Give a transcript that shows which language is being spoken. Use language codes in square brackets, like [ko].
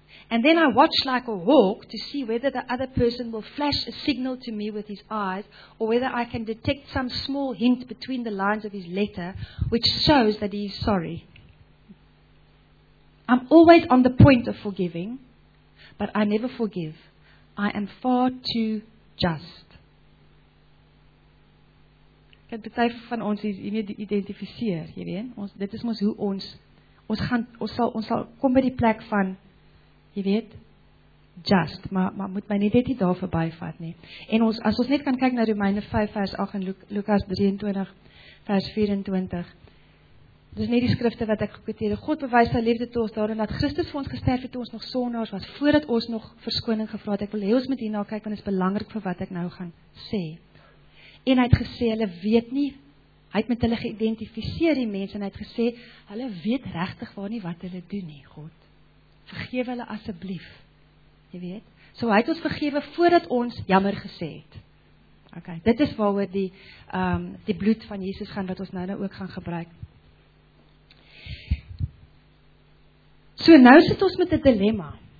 [en] And then I watch like a hawk to see whether the other person will flash a signal to me with his eyes or whether I can detect some small hint between the lines of his letter which shows that he is sorry. I'm always on the point of forgiving, but I never forgive. I am far too just. [af] Ek het baie van ons hiermee identifiseer, jy weet. Ons dit is mos hoe ons sal kom by die plek van jy weet just, maar moet my net dit daar verbyvat nie. En ons as ons net kan kyk na Romeine 5 vers 8 en Lukas 23 vers 24. Dis net die skrifte wat ek gekwoteer. God bewys sy liefde toe ons daarin dat Christus vir ons gesterf het toe ons nog sondaars was, voordat ons nog verskoning gevra het. Ek wil hê ons moet hierna kyk, want dit is belangrik vir wat ek nou gaan sê. En hy het gesê, hulle weet nie, hy het met hulle geïdentifiseer die mense, en hy het gesê, hulle weet regtig waar nie wat hulle doen nie, God. Vergewe hulle asseblief. Jy weet? So hy het ons vergewe voordat ons jammer gesê het. Ok, dit is waaroor die bloed van Jesus gaan, wat ons nou ook gaan gebruik. So nou sit ons met 'n dilemma.